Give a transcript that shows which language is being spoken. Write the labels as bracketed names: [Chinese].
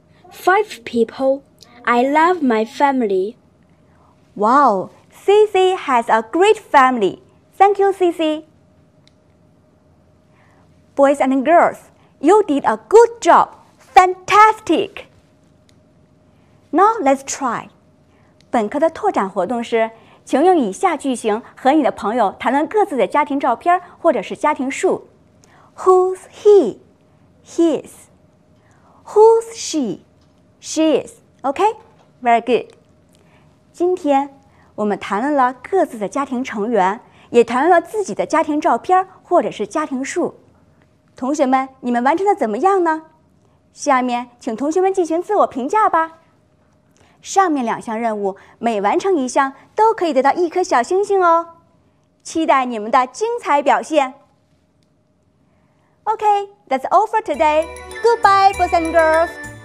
[English] 5 people. I love my family. Wow, Cece has a great family. Thank you, Cece. Boys and girls, you did a good job. Fantastic! Now let's try. [Chinese] 本课的拓展活动是，请用以下句型和你的朋友谈论各自的家庭照片或者是家庭树。 [English] Who's he? His. Who's she? She is. Okay? Very good. [Chinese] 今天我们谈论了各自的家庭成员，也谈论了自己的家庭照片或者是家庭树。同学们，你们完成的怎么样呢？下面请同学们进行自我评价吧。上面两项任务，每完成一项都可以得到一颗小星星哦。期待你们的精彩表现。 [English] Okay, that's all for today. Goodbye, boys and girls.